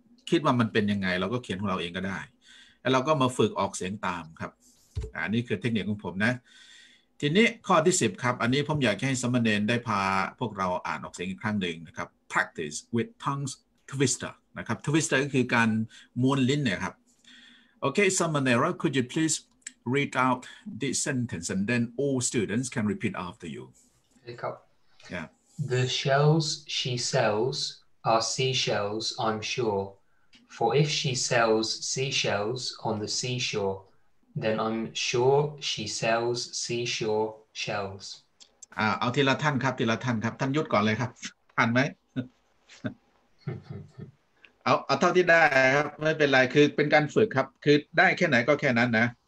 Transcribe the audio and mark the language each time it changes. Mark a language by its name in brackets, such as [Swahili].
[Thai] คิดว่ามันเป็นยังไงเราก็เขียนของเราเองก็ได้แล้วเราก็มาฝึกออกเสียงตามครับอันนี้คือเทคนิคของผมนะทีนี้ข้อที่10ครับอันนี้ผมอยากให้สมณเณรได้พาพวกเราอ่านออกเสียงอีกครั้งหนึ่งนะครับ [English] practice with tongue twister [Thai] นะครับ twister ก็คือการม้วนลิ้นนะครับโอเค [English] Samanera could you please read out this sentence and then all students can repeat after you [Thai] ครับ [English] yeah the shells she sells are seashells I'm sure for if she sells seashells on the seashoreThen I'm sure she sells seashore shells. [Thai] เอาทีละท่านครับทีละท่านครับท่านยุทธก่อนเลยครับทันไหม เอาเท่าที่ได้ครับไม่เป็นไรคือเป็นการฝึกครับคือได้แค่ไหนก็แค่นั้นนะ